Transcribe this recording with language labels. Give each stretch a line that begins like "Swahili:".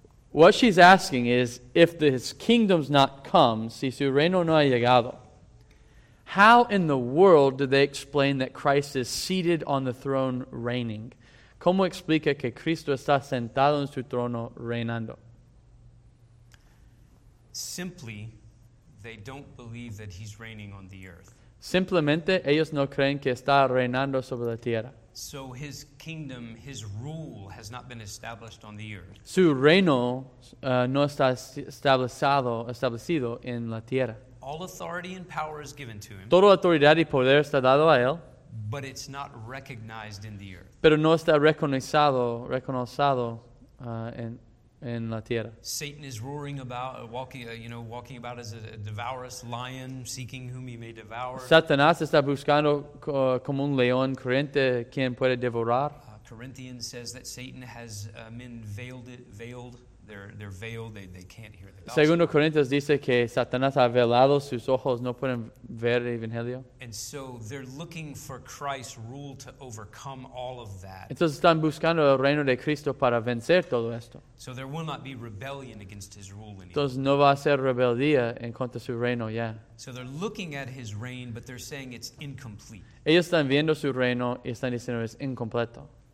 English: What she's asking is, if his kingdom's not come,
Spanish: si su reino no ha llegado,
English: how in the world do they explain that Christ is seated on the throne reigning?
Spanish: ¿Cómo explica que Cristo está sentado en su trono reinando?
English: Simply, they don't believe that he's reigning on the earth.
Spanish: Simplemente, ellos no creen que está reinando sobre la tierra.
English: So his kingdom, his rule has not been established on the earth.
Spanish: Su reino no está establecido en la tierra.
English: All authority and power is given to him.
Spanish: Toda autoridad y poder está dado a él.
English: But it's not recognized in the earth.
Spanish: Pero no está reconocido en la tierra.
English: Satan is roaring about, walking about as a devourous lion, seeking whom he may devour.
Spanish: Satanás está buscando como un león corriente quien puede devorar.
English: Corinthians says that Satan has men veiled. They're veiled. They can't hear the gospel.
Spanish: Segundo Corintios dice que Satanás ha velado sus ojos, no pueden ver el evangelio.
English: And so they're looking for Christ's rule to overcome all of that.
Spanish: Entonces están buscando el reino de Cristo para vencer todo esto.
English: So there will not be rebellion against his rule anymore.
Spanish: Entonces no va a ser rebeldía en contra de su reino ya.
English: So they're looking at his reign, but they're saying it's incomplete.
Spanish: Ellos están viendo su reino y están diciendo es incompleto.